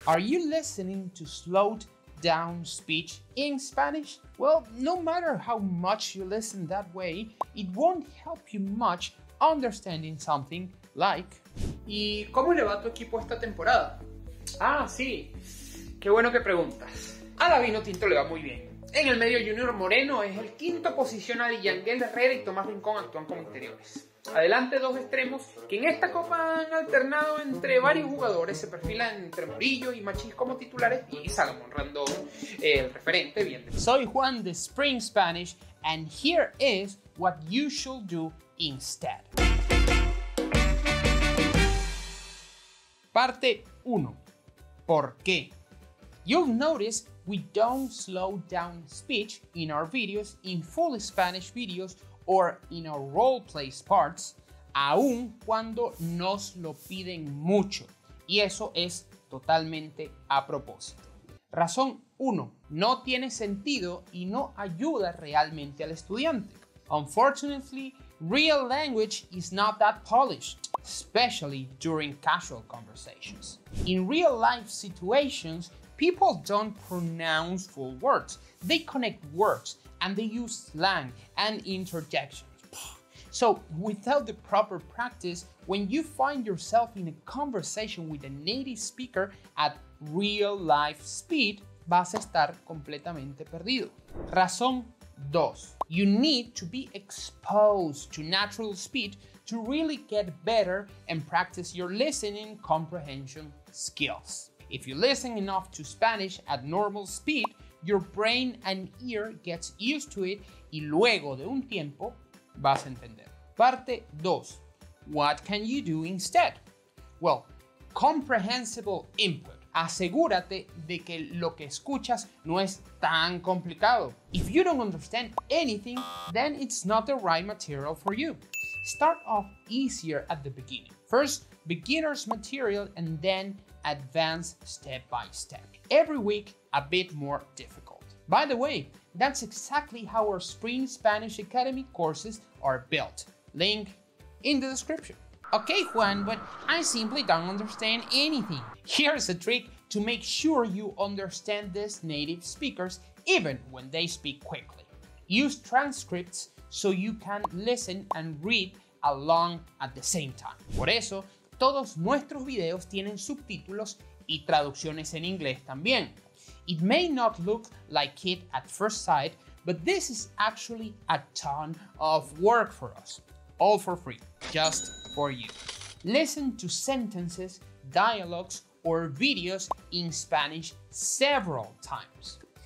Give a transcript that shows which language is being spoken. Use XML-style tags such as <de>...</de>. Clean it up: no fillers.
<en>Are you listening to slowed down speech in Spanish? Well, no matter how much you listen that way, it won't help you much understanding something like...</en> <es>¿Y cómo le va tu equipo esta temporada? Ah, sí. Qué bueno que preguntas. A la Vino Tinto le va muy bien. En el medio, Junior Moreno es el quinto posicionado y Yanguel Herrera y Tomás Rincón actúan como interiores. Adelante, dos extremos que en esta copa han alternado entre varios jugadores. Se perfilan entre Murillo y Machís como titulares y Salomón Rondón, el referente, bien. Soy Juan de</es> <en>Spring Spanish and here is what you should do instead.</en> <es>Parte 1. ¿Por qué?</es> <en>You'll notice we don't slow down speech in our videos, in full Spanish videos, or in our roleplay parts,</en> <es>aun cuando nos lo piden mucho. Y eso es totalmente a propósito. Razón 1. No tiene sentido y no ayuda realmente al estudiante.</es> <en>Unfortunately, real language is not that polished, especially during casual conversations. In real life situations, people don't pronounce full words. They connect words and they use slang and interjections. So without the proper practice, when you find yourself in a conversation with a native speaker at real life speed,</en> <es>vas a estar completamente perdido. Razón 2.</es> <en>You need to be exposed to natural speed to really get better and practice your listening comprehension skills. If you listen enough to Spanish at normal speed, your brain and ear gets used to it</en> <es>y luego de un tiempo vas a entender. Parte 2.</es> <en>What can you do instead? Well, comprehensible input.</en> <es>Asegúrate de que lo que escuchas no es tan complicado.</es> <en>If you don't understand anything, then it's not the right material for you. Start off easier at the beginning. First, beginner's material and then advance step by step. Every week, a bit more difficult. By the way, that's exactly how our Spring Spanish Academy courses are built. Link in the description. Okay, Juan, but I simply don't understand anything. Here's a trick to make sure you understand these native speakers, even when they speak quickly. Use transcripts so you can listen and read along at the same time.</en> <es>Por eso, todos nuestros videos tienen subtítulos y traducciones en inglés también.</es> <en>It may not look like it at first sight, but this is actually a ton of work for us. All for free, just for you. Listen to sentences, dialogues, or videos in Spanish several times.</en>